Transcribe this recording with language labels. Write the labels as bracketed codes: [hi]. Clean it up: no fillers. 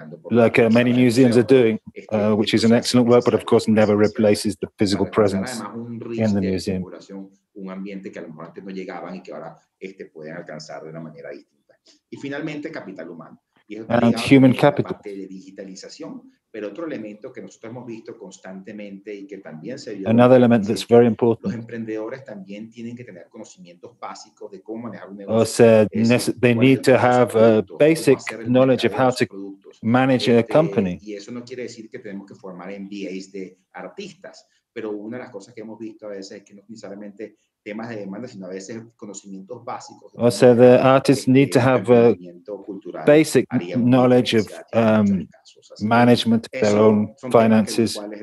[en] Like many museums are doing, which is an excellent work, but of course never replaces the physical presence in the museum. [es] Un ambiente que a lo mejor antes no llegaban y que ahora pueden alcanzar de una manera distinta. Y finalmente capital humano. Y [en] es and human capital. [es] Parte de digitalización, pero otro elemento que nosotros hemos visto constantemente y que también se vio. [en] Another element that's very important. [es] Los emprendedores también tienen que tener conocimientos básicos de cómo manejar un negocio. [en] They need to have a basic knowledge of how to manage a company. [es] Y eso no quiere decir que tenemos que formar MBAs de artistas, pero una de las cosas que hemos visto a veces es que no necesariamente temas de demanda, sino a veces conocimientos básicos. O sea, [en] the artists need to have a basic knowledge of management, their own finances.